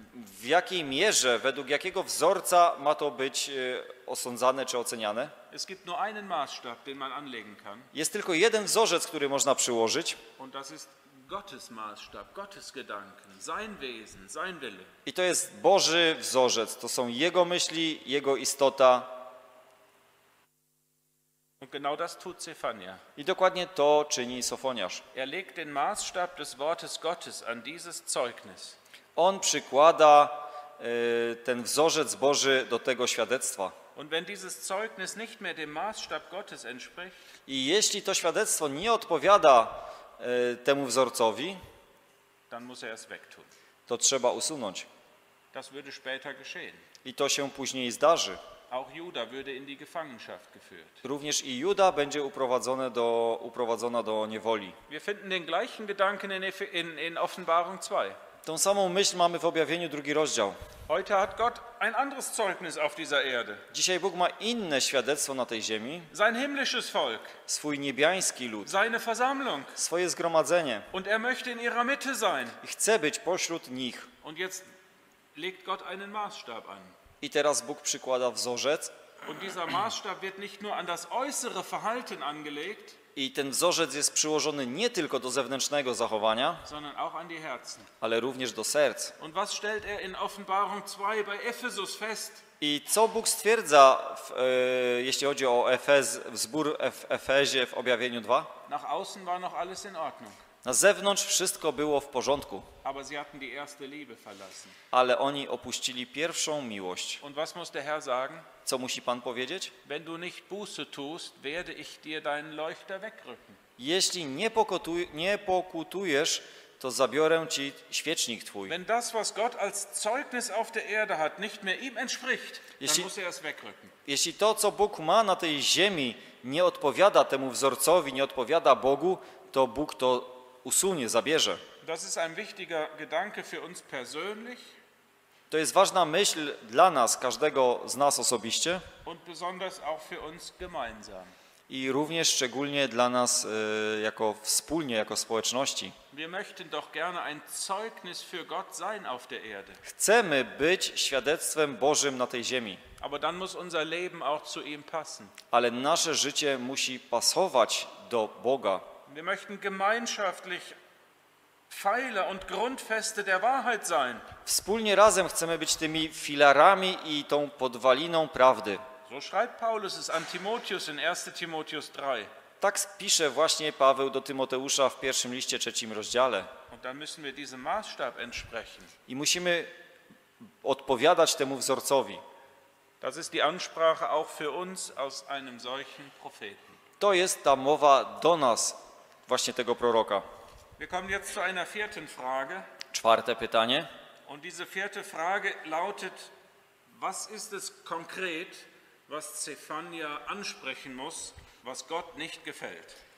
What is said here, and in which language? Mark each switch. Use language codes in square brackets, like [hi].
[pl] W jakiej mierze, według jakiego wzorca ma to być osądzane czy oceniane? [de] Es gibt nur einen Maßstab, den man anlegen kann. [pl] Jest tylko jeden wzorzec, który można przyłożyć. [de] Und das ist Gottes Maßstab, Gottes Gedanken, sein Wesen, sein Wille. [pl] I to jest Boży wzorzec, to są jego myśli, jego istota. [de] Und genau das tut Sophonia. [pl] I dokładnie to czyni Sophoniasz. [de] Er legt den Maßstab des Wortes Gottes an dieses Zeugnis. [pl] On przykłada ten wzorzec Boży do tego świadectwa. [de] Und wenn dieses Zeugnis nicht mehr dem Maßstab Gottes entspricht, [pl] i jeśli to świadectwo nie odpowiada temu wzorcowi, [de] dann muss er es wegtun. [pl] To trzeba usunąć. [de] Das würde später geschehen. [pl] I to się później zdarzy. [de] Auch Juda würde in die Gefangenschaft geführt. [pl] Również i Juda będzie uprowadzona do niewoli. [de] Wir finden den gleichen Gedanken in Offenbarung 2. [pl] Tą samą myśl mamy w Objawieniu, drugi rozdział. [de] Heute hat Gott ein anderes Zeugnis auf dieser Erde. [pl] Dzisiaj Bóg ma inne świadectwo na tej ziemi. [de] Sein himmlisches Volk. [pl] Swój niebiański lud. [de] Seine Versammlung. [pl] Swoje zgromadzenie. [de] Und er möchte in ihrer Mitte sein. [pl] I chce być pośród nich. [de] Und jetzt legt Gott einen Maßstab an. [pl] I teraz Bóg przykłada wzorzec. [de] Und dieser Maßstab wird nicht nur an das äußere Verhalten angelegt. [pl] I ten wzorzec jest przyłożony nie tylko do zewnętrznego zachowania, ale również do serc. [de] Und was stellt er in Offenbarung 2 bei Ephesus fest? [pl] I co Bóg stwierdza, jeśli chodzi o zbór w Efezie w Objawieniu 2? [de] Nach außen war noch alles in Ordnung. [pl] Na zewnątrz wszystko było w porządku. [de] Aber sie hatten die erste Liebe verlassen. [pl] Ale oni opuścili pierwszą miłość. [de] Und was muss der Herr sagen? [pl] Co musi Pan powiedzieć? [de] Wenn du nicht Buße tust, werde ich dir deinen Leuchter wegrücken. [pl] Jeśli nie pokutujesz, to zabiorę ci świecznik twój. [de] Wenn das, was Gott als Zeugnis auf der Erde hat, nicht mehr ihm entspricht, [pl] jeśli, [de] dann muss er es wegrücken. [pl] Jeśli to, co Bóg ma na tej ziemi, nie odpowiada temu wzorcowi, nie odpowiada Bogu, to Bóg to usunie, zabierze. [de] Das ist ein wichtiger Gedanke für uns persönlich. [pl] To jest ważna myśl dla nas, każdego z nas osobiście. [de] Und besonders auch für uns gemeinsam. [pl] I również szczególnie dla nas jako wspólnie, jako społeczności. [de] Wir möchten doch gerne ein Zeugnis für Gott sein auf der Erde. [pl] Chcemy być świadectwem Bożym na tej ziemi. [de] Aber dann muss unser Leben auch zu ihm passen. [pl] Ale nasze życie musi pasować do Boga. [de] Wir möchten gemeinschaftlich Pfeiler und Grundfeste der Wahrheit sein. [pl] Wspólnie razem chcemy być tymi filarami i tą podwaliną prawdy. [de] So schreibt Paulus es an Timotheus in 1. Timotheus 3. [pl] Tak pisze właśnie Paweł do Tymoteusza w pierwszym liście, trzecim rozdziale. [de] Und dann müssen wir diesem Maßstab entsprechen. [pl] I musimy odpowiadać temu wzorcowi. [de] Das ist die Ansprache auch für uns aus einem solchen Propheten. [pl] To jest ta mowa do nas, właśnie tego proroka. [de] Wir kommen jetzt zu einer vierten Frage. [pl] Czwarte pytanie. [de] Und diese vierte Frage lautet, was ist es konkret, was Zefania ansprechen muss, was Gott nicht gefällt?